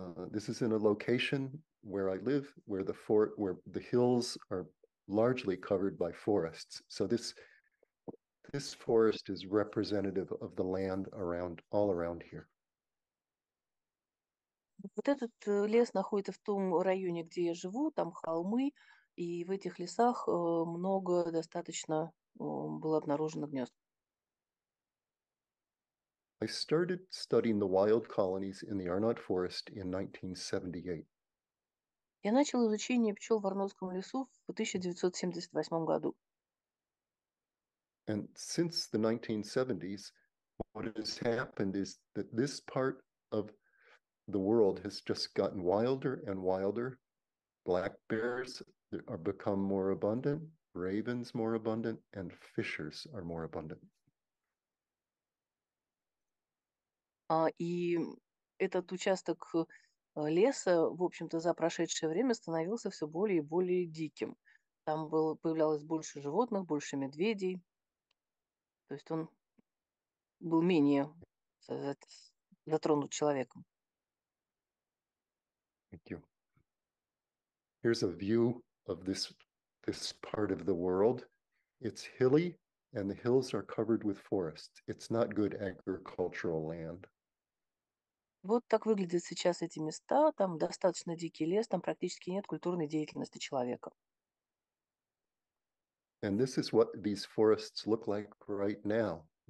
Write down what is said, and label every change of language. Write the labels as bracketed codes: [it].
[en] This is in a location where I live, where the hills are largely covered by forests. So this forest is representative of the land all around here. [ru] Вот этот лес находится в том районе, где я живу, там холмы, и в этих лесах много достаточно было обнаружено гнезд. [en] I started studying the wild colonies in the Arnott Forest in 1978. [ru] Я начал изучение пчел в Арнотском лесу в 1978 году. [en] And since the 1970s, what has happened is that this part of the world has just gotten wilder and wilder. Black bears are become more abundant, ravens more abundant, and fishers are more abundant. [ru] И этот участок леса, в общем-то, за прошедшее время становился все более и более диким. Там появлялось больше животных, больше медведей. То есть он был менее затронут человеком. [en] Thank you. Here's a view of this part of the world. It's hilly, and the hills are covered with forests. It's not good agricultural land. [ru] Вот так выглядят сейчас эти места. Там достаточно дикий лес, там практически нет культурной деятельности человека. [en] And this is what these forests look like right now.